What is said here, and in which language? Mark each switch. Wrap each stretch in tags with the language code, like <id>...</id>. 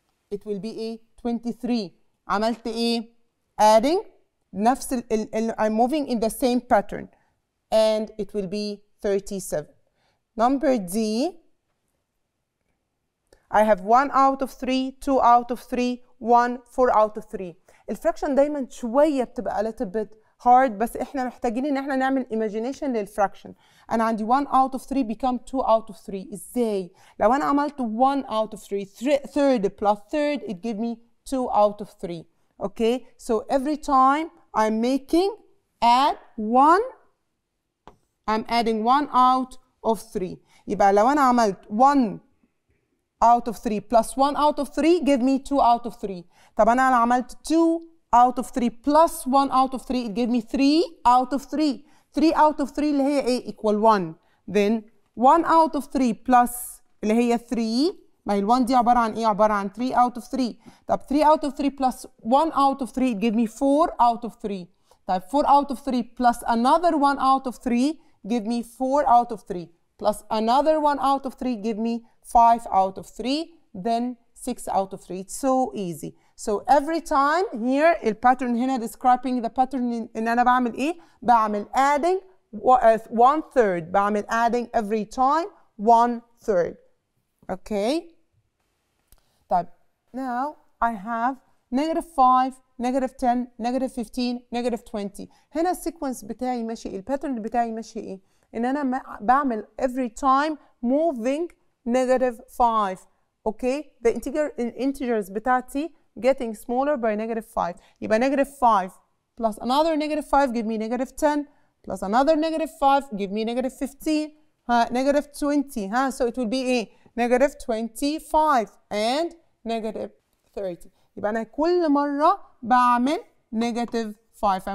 <en>It will be a 23.</en> <ar>عملت ايه?</ar> <en>Adding نفس I'm moving in the same pattern and it will be 37. Number D, I have 1 out of 3, 2 out of 3, 1, 4 out of 3.</en> <ar>الفراكشن دايما شوية بتبقى</ar> <en>a little bit hard,</en> <ar>بس احنا محتاجين ان احنا نعمل imagination للفراكشن. انا عندي</ar> <en>1 out of 3 become 2 out of 3.</en> <ar>ازاي? لو انا عملت</ar> <en>1 out of 3, third plus third, it give me 2 out of 3. Okay, so every time I'm making add 1, I'm adding 1 out of 3.</en> <ar>يبقى لو انا عملت</ar> <en>1 out of 3 plus 1 out of 3, give me 2 out of 3.</en> <ar>طب انا عملت</ar> <en>2 out of 3 plus 1 out of 3, it gave me 3 out of 3. 3 out of 3</en> <ar>اللي هي ايه</ar> <en>equal 1. Then 1 out of 3 plus</en> <ar>اللي هي</ar> <en>3.</en> <ar>ما هي ال 1 دي عبارة عن ايه؟ عبارة عن 3 out of 3.</ar> <en>طب 3 out of 3 plus 1 out of 3 give me 4 out of 3. طب 4 out of 3 plus another 1 out of 3 give me 4 out of 3. Plus another 1 out of 3 give me 5 out of 3. Then 6 out of 3. It's so easy. So every time here, the pattern هنا describing the pattern</en> <ar>إن أنا بعمل إيه؟ بعمل</ar> <en>adding one third.</en> <ar>بعمل</ar> <en>adding every time one third. Okay,</en> <ar>طيب.</ar> <en>Now I have negative 5, negative 10, negative 15, negative 20.</en> <ar>هنا السيكونس بتاعي ماشي ايه؟ الباترن بتاعي ماشي ايه؟ ان انا بعمل</ar> <en>every time moving negative 5. Okay, the integers</en> <ar>بتاعتي</ar> <en>getting smaller by negative 5.</en> <ar>يبقى</ar> <en>negative 5 plus another negative 5 give me negative 10, plus another negative 5 give me negative 15, negative 20. Huh? So it will be</en> <ar>ايه?</ar> <en>Negative 25 and negative 30.</en> <ar>يبقى أنا كل مرة بعمل</ar> <en>negative 5.</en>